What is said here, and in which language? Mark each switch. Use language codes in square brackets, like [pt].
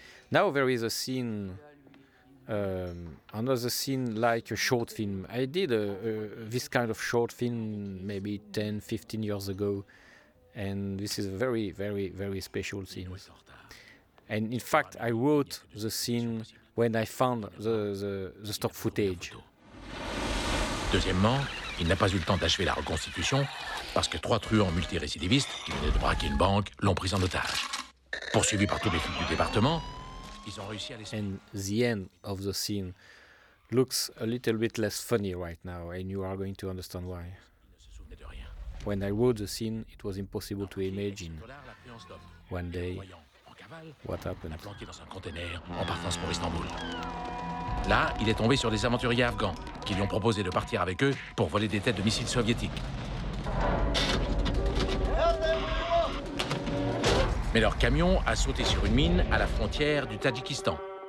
[en] Now there is a scene, another scene like a short film. I did this kind of short film maybe 10, 15 years ago, and this is a very, very, very special scene. And in fact, I wrote the scene when I found the stock footage. [fr] Deuxièmement, il n'a pas eu le temps d'achever la reconstitution parce que trois truands multirécidivistes qui venaient de braquer une banque l'ont pris en otage. Poursuivis par tous les flics du département, ils ont réussi à les... [en] And the end of the scene looks a little bit less funny right now, and you are going to understand why. When I wrote the scene, it was impossible to imagine one day what happened. [fr] Il a planqué dans un conteneur en partance pour Istanbul. Là, il est tombé sur des aventuriers afghans qui lui ont proposé de partir avec eux pour voler des têtes de missiles soviétiques. Mais leur camion a sauté sur une mine à la frontière du Tadjikistan.